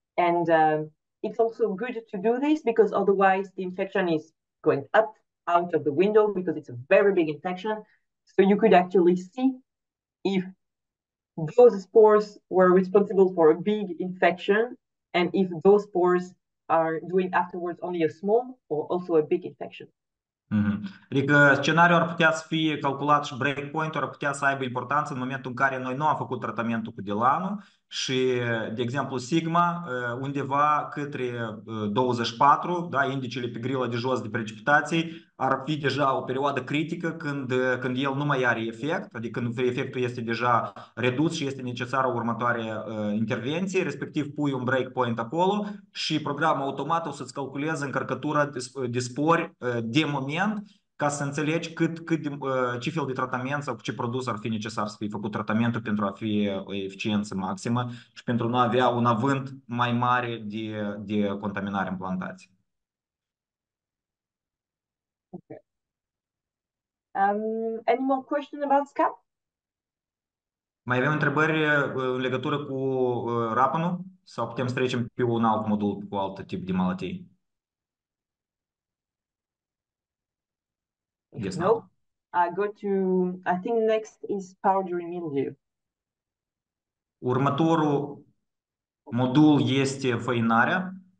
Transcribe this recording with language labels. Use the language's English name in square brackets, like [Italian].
[English] And it's also good to do this because otherwise the infection is going up out of the window because it's a very big infection. So you could actually see if those spores were responsible for a big infection and if those spores are doing afterwards only a small or also a big infection. [Romanian] Adică scenariul ar putea să fie calculat și breakpoint-ul ar putea să aibă importanță în momentul în care noi nu am făcut tratamentul cu Delano și, de exemplu, Sigma undeva către 24, da, indicele pe grila de jos de precipitații, ar fi deja o perioadă critică când el nu mai are efect, adică când efectul este deja redus și este necesară o următoare intervenție, respectiv pui un breakpoint acolo și programul automat o să-ți calculeze încărcătura de spori de moment, ca să înțelegi ce fel de tratament sau ce produs ar fi necesar să fie făcut tratamentul pentru a fi o eficiență maximă și pentru a nu avea un avânt mai mare de contaminare în plantație. [English] Okay. Any more questions about SCAP? [Romanian] Mai avem întrebări în legătură cu rapanul sau putem să trecem pe un alt modul cu alt tip de malatii? [English] Yes, no. I go to, I think next is powdery mildew. [Romanian] Următorul modul este făinarea.